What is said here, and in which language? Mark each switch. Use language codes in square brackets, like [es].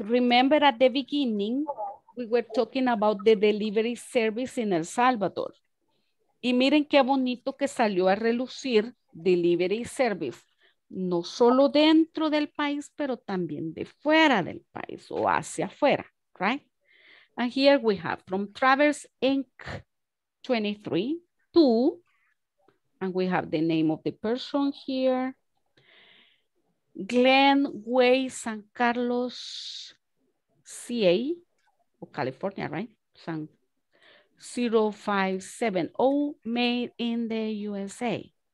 [en] Remember at the beginning, we were talking about the delivery service in El Salvador. [es] Y miren qué bonito que salió a relucir delivery service, no solo dentro del país, pero también de fuera del país o hacia afuera, right? [en] And here we have from Travers Inc. 23 to, and we have the name of the person here, Glen Way San Carlos CA, or California, right? San 0570, made in the USA.